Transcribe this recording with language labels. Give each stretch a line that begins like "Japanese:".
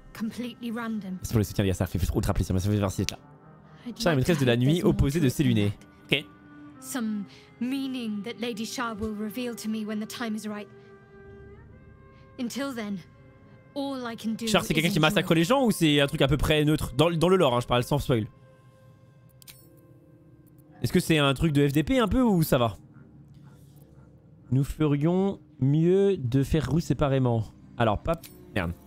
French: Merci pour le soutien, les gars. Ça fait ultra plaisir. Merci d'être là. Je suis la maîtresse de la nuit opposée de Célune.
English: Ok. Some meaning that Lady Char will reveal to me when the time is right. Until then.
French: Char, c'est quelqu'un qui massacre les gens ou c'est un truc à peu près neutre dans le lore, hein, je parle sans spoil. Est-ce que c'est un truc de FDP un peu ou ça va? Nous ferions mieux de faire roue séparément. Alors, pap, merde.